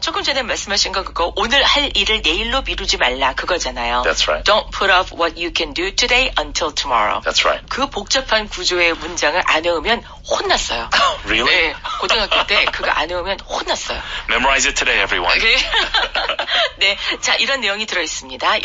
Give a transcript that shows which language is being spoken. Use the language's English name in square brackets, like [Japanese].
[Korean] 조금 전에 말씀하신 거 그거 오늘 할 일을 내일로 미루지 말라 그거잖아요. [English] That's right. Don't put off what you can do today until tomorrow. That's right. [Korean] 그 복잡한 구조의 문장을 안 외우면 혼났어요. [English] Really? [Korean] 네. 고등학교 때 그거 안 외우면 혼났어요. [English] Memorize it today, everyone. [Korean] 네. 네. 자, 이런 내용이 들어있습니다.